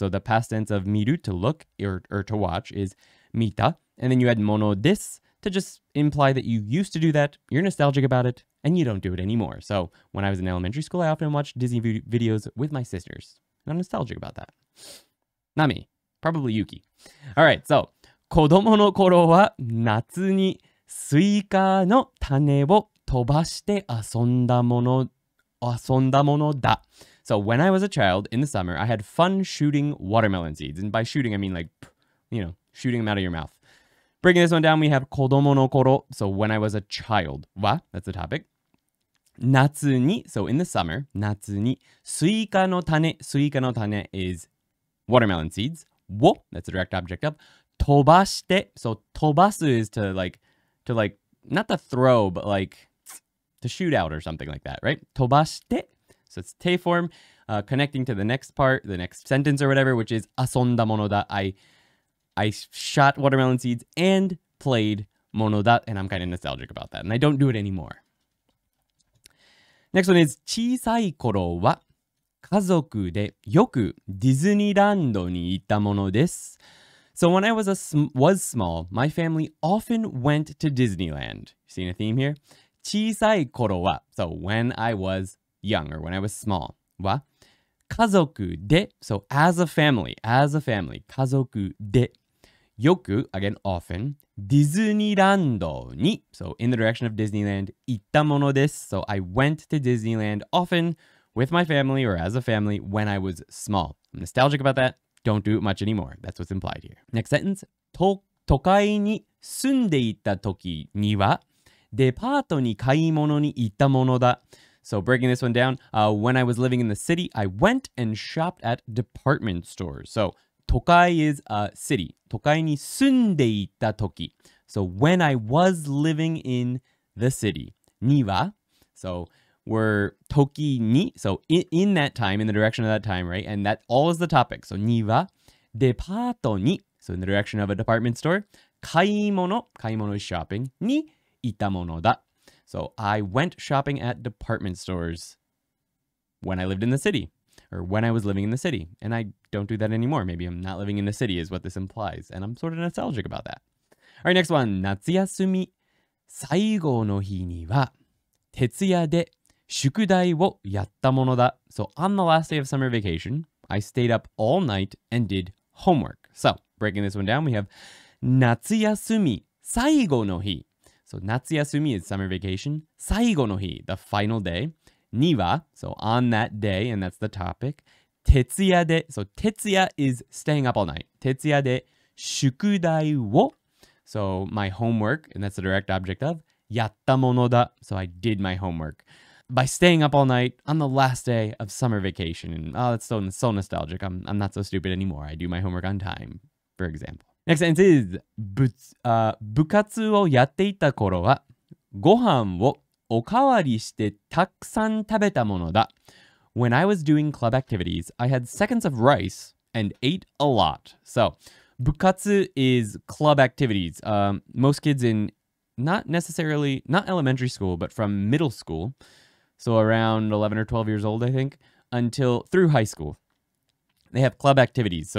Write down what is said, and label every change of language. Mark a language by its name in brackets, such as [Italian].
[English] So the past tense of 見る, to look, or to watch, is [Japanese] 見た. [English] And then you add ものです to just imply that you used to do that, you're nostalgic about it, and you don't do it anymore. So when I was in elementary school, I often watched Disney videos with my sisters. And I'm nostalgic about that. Not me. Probably Yuki. Alright, so [Japanese] 子供の頃は夏にスイカの種を飛ばして遊んだものだ. [English] So when I was a child in the summer, I had fun shooting watermelon seeds. And by shooting, I mean like, you know, shooting them out of your mouth. Breaking this one down, we have [Japanese] 子供の頃. [English] So when I was a child. わ?That's the topic. [Japanese] 夏に. [English] So in the summer. [Japanese] 夏に.スイカの種. [English] スイカの種 is watermelon seeds. を.That's the direct object of. [Japanese] 飛ばして. [English] So 飛ばす is to like, not to throw, but like, to shoot out or something like that, right? [Japanese] 飛ばして. [English] So it's te form, connecting to the next part, the next sentence or whatever, which is [Japanese] 遊んだものだ. [English] I shot watermelon seeds and played mono da, and I'm kind of nostalgic about that. And I don't do it anymore. Next one is [Japanese] 小さい頃は家族でよくディズニーランドに行ったものです. [English] So when I was small, my family often went to Disneyland. Seeing a theme here? [Japanese] 小さい頃は. [English] So when I was young or when I was small. [Japanese] わ?家族で. [English] So as a family. [Japanese] 家族で. [English] よく, again, often. [Japanese] ディズニーランドに. [English] So in the direction of Disneyland. [Japanese] 行ったものです. [English] So I went to Disneyland often with my family or as a family when I was small. I'm nostalgic about that. Don't do it much anymore. That's what's implied here. Next sentence. [Japanese] 都会に住んでいた時には、デパートに買い物に行ったものだ。 [English] So breaking this one down, when I was living in the city, I went and shopped at department stores. So, 都会 is a city. [Japanese] 都会に住んでいた時. [English] So when I was living in the city, にわ So we're toki ni, so in that time, in the direction of that time, right? And that all is the topic. So [Japanese] にわデパートに [English] So in the direction of a department store, 買い物 is shopping, [Japanese] にいたものだ [English] So I went shopping at department stores when I lived in the city. Or when I was living in the city. And I don't do that anymore. Maybe I'm not living in the city is what this implies. And I'm sort of nostalgic about that. All right, next one. [Japanese] 夏休み最後の日には徹夜で宿題をやったものだ。 [English] So on the last day of summer vacation, I stayed up all night and did homework. So breaking this one down, we have [Japanese] 夏休み最後の日。 [English] So 夏休み is summer vacation. 最後の日, the final day. Niva, so on that day, and that's the topic. Tetsuya de, so tetsuya is staying up all night. [Japanese] Tetsuya de shukudai wo, [English] so my homework, and that's the direct object of [Japanese] yatta mono da, [English] so I did my homework by staying up all night on the last day of summer vacation. And oh, that's so nostalgic. I'm not so stupid anymore. I do my homework on time, for example. Next sentence is [Japanese] bukatsu wo yatte ita koro wa gohan wo. おかわりしてたくさん食べたものだ。 [English] When I was doing club activities, I had seconds of rice and ate a lot. So, 部活 is club activities. Most kids in not elementary school, but from middle school, so around 11 or 12 years old, I think, until through high school, they have club activities.